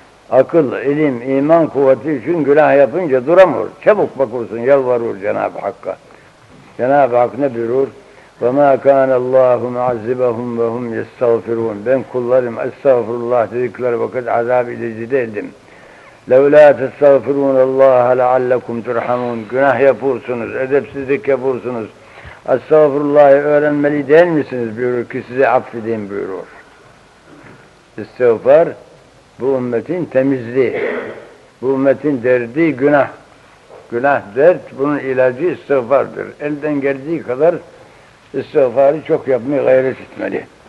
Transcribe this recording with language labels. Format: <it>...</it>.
<tr>Akıl, ilim, iman kuvveti için günah yapınca duramıyor. Çabuk bakursun, yalvarır Cenab-ı Hakk'a. Cenab-ı Hak ne buyurur?</tr> <ar>وَمَا كَانَ اللّٰهُ مُعَزِّبَهُمْ وَهُمْ يَسْتَغْفِرُونَ</ar> <tr>Ben kullarım, estağfurullah dedikleri vakit azab edici değildim.</tr> <ar>لَوْ لَا تَسْتَغْفِرُونَ اللّٰهَ لَعَلَّكُمْ تُرْحَمُونَ</ar> <tr>Günah yapıyorsunuz, edepsizlik yapıyorsunuz. Estağfurullah'ı öğrenmeli değil misiniz buyurur ki sizi affedeyim buyurur. İstiğfar, bu ümmetin temizliği, bu ümmetin derdi günah. Günah, dert, bunun ilacı istiğfardır. Elden geldiği kadar istiğfarı çok yapmaya gayret etmeli.</tr>